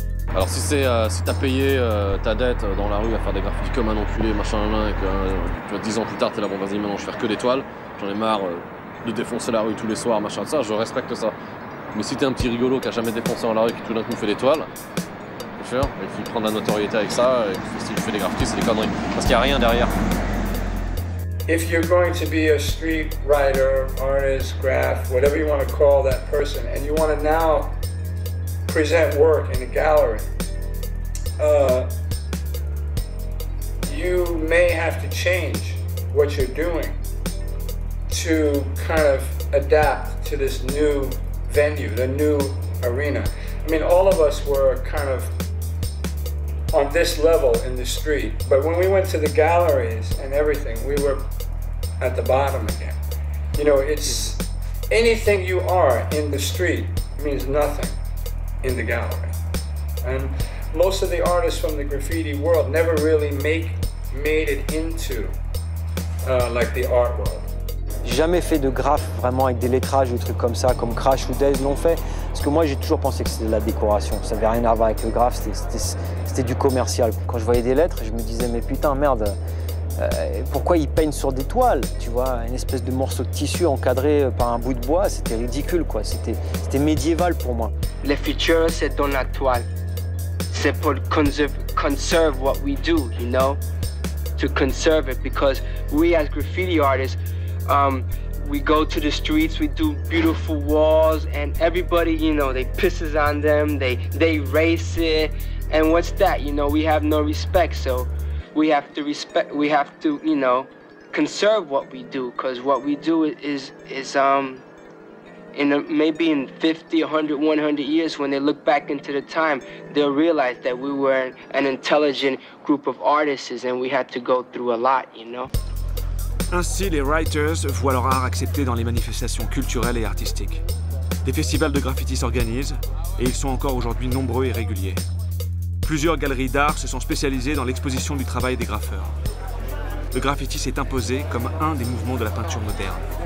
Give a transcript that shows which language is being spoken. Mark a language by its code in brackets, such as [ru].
[fr] Alors si t'as payé ta dette dans la rue à faire des graffitis comme un enculé, machin, machin, et que tu vois, 10 ans plus tard, t'es là, bon, vas-y, maintenant, je vais faire que des toiles, j'en ai marre de défoncer la rue tous les soirs, machin, ça, je respecte ça. Mais si t'es un petit rigolo qui a jamais défoncé dans la rue, qui tout d'un coup fait des toiles, bien sûr, et qui prend de la notoriété avec ça, et que si tu fais des graffitis, c'est des conneries, parce qu'il n'y a rien derrière. [en] If you're going to be a street writer, artist, graph, whatever you want to call that person, and you want to now present work in a gallery, you may have to change what you're doing to kind of adapt to this new venue, the new arena. I mean, all of us were kind of on this level in the street, but when we went to the galleries and everything, we were at the bottom again. You know, it's anything you are in the street means nothing in the gallery. And most of the artists from the graffiti world never really made it into like the art world. [fr] J'ai jamais fait de graph vraiment avec des lettrages ou des trucs comme ça, comme Crash ou Dez l'ont fait. Parce que moi, j'ai toujours pensé que c'était de la décoration. Ça avait rien à voir avec le graph, c'était du commercial. Quand je voyais des lettres, je me disais, mais putain, merde, pourquoi ils peignent sur des toiles, tu vois, une espèce de morceau de tissu encadré par un bout de bois, c'était ridicule, quoi. C'était médiéval pour moi. Le futur, c'est dans la toile. C'est pour [en] conserve what we do, you know? To conserve it, because we, as graffiti artists, we go to the streets, we do beautiful walls, and everybody, you know, they pisses on them, they race it, and what's that, you know, we have no respect, so we have to respect, we have to, you know, conserve what we do, because what we do is in maybe in 50, 100, 100 years, when they look back into the time, they'll realize that we were an intelligent group of artists, and we had to go through a lot, you know? [fr] Ainsi, les writers voient leur art accepté dans les manifestations culturelles et artistiques. Des festivals de graffiti s'organisent et ils sont encore aujourd'hui nombreux et réguliers. Plusieurs galeries d'art se sont spécialisées dans l'exposition du travail des graffeurs. Le graffiti s'est imposé comme un des mouvements de la peinture moderne.